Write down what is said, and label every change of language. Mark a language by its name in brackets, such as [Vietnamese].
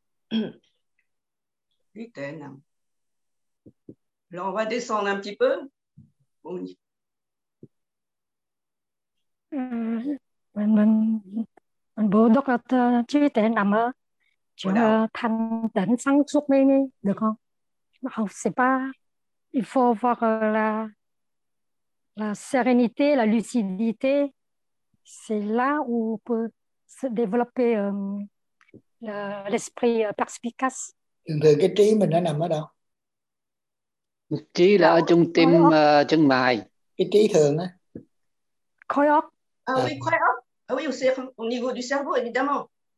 [Vietnamese] Trí tuệ nằm. Là [French] on va descendre un petit peu. On y... [Vietnamese] mình bố đọc là trí tuệ nằm ở chỗ thanh tịnh sáng suốt mới nghe được không? Học sẽ ba, [French] il faut voir la sérénité, la lucidité, c'est là où on peut se développer l'esprit perspicace. [Vietnamese] Thì cái trí mình nó nằm ở đâu? Trí là ở trung tâm chân mày. Cái trí thường á? Khối óc. [French] Ah oui, [Vietnamese] khối óc. [French] Ah oui, au niveau du cerveau, évidemment.